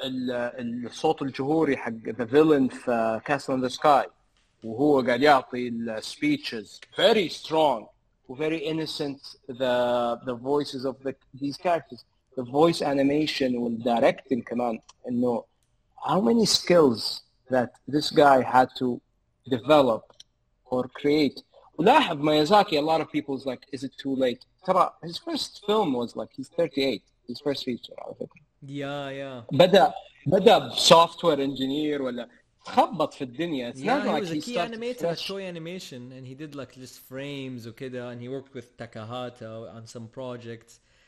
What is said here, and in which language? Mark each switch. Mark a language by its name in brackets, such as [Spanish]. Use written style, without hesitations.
[Arabic] الصوت الجهوري حق [English] the villain [Arabic] في Castle in the Sky. وهو قاعد يعطي [English] speeches very strong very innocent the voices of these characters, the voice animation and directing command, and know how many skills that this guy had to develop or create. [Arabic] ولاحظ [English] Miyazaki, a lot of people is like, is it too late? [Arabic] ترى [English] his first film was like, he's 38, his first feature, I think. Yeah. [Arabic] بدأ [English] software engineer [Arabic] ولا تخبط في الدنيا. [English] He was a key animator at Toei Animation and he did like just frames [Arabic] وكده, [English] and he worked with Takahata on some projects.